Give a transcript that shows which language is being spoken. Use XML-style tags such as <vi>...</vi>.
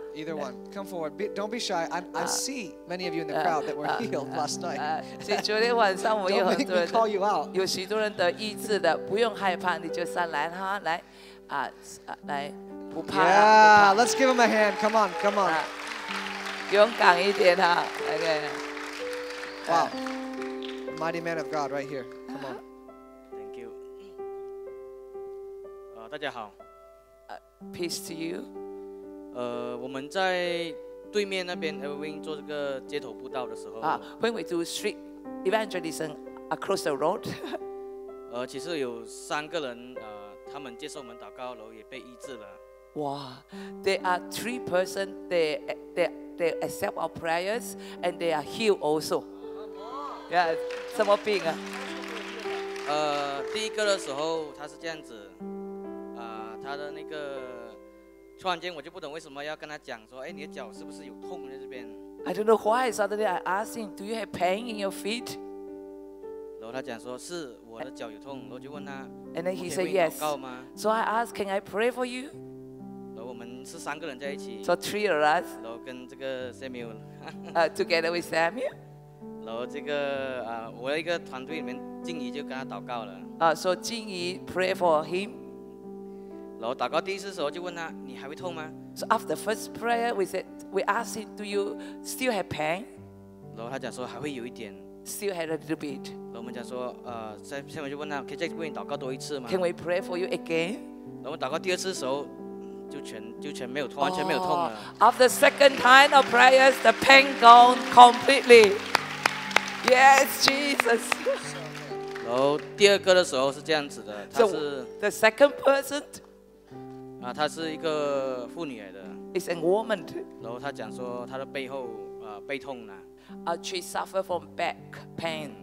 <en>Either one, come forward. Don't be shy. I see many of you in the crowd that were healed last night.</en> <zh>所以昨天晚上我有很多人</zh> <en>call you out.</en> <zh>有许多人得医治的，不用害怕，你就上来哈，来，来，不怕。</zh> <en>Yeah, let's give him a hand. Come on, come on.</en> <zh>勇敢一点哈 ，OK.</zh> <en>Wow, mighty man of God, right here. Come on. Thank you.</en> <zh>大家好。</zh> <en>Peace to you.</en> <zh>我们在对面那边 Evergreen 做这个街头布道的时候</zh> <en>，When we do street evangelism across the road，</en> <zh>其实有三个人，他们接受我们祷告，然后也被医治了。</zh> <en>哇 ，There are three persons they accept our prayers and they are healed also。</en> <zh>Yeah， 什么病啊？第一个的时候他是这样子，他的那个。突然间我就不懂为什么要跟他讲说，哎，你的脚是不是有痛在这边</zh> <en>？I don't know why. Suddenly I asked him, "Do you have pain in your feet?"</en> <zh>然后他讲说是我的脚有痛，然后就问他</zh> <en>，And then he said yes.</en> <zh>祷告吗</zh> <en>？So I asked, "Can I pray for you?"</en> <zh>然后我们是三个人在一起</zh> <en>，So three of us.</en> <zh>然后跟这个 Samuel，</zh> <en>together with Samuel.</en> <zh>然后这个我一个团队里面静怡就跟他祷告了。</zh> <en>So 静怡 pray for him.</en> <zh>然后祷告第一次的时候就问他，你还会痛吗</zh> <en>？So after the first prayer, we asked him, "Do you still have pain?"</en> <zh>然后他讲说还会有一点</zh> <en>，still had a little bit。</en> <zh>然后我们讲说，下面就问他，可以再为你祷告多一次吗</zh> <en>？Can we pray for you again？</en> <zh>然后祷告第二次的时候，就全没有痛，完全没有痛了。</zh> <en>After the second time of prayers, the pain gone completely. Yes, Jesus.</en> <zh>然后第二个的时候是这样子的，他是、</zh> <en>so、the second person.</en> <zh>她是一个妇女来的</zh> <en>，It's a woman。</en> <zh>然后她讲说她的背后背痛呢。</zh> <en>She suffer from back pain。</en>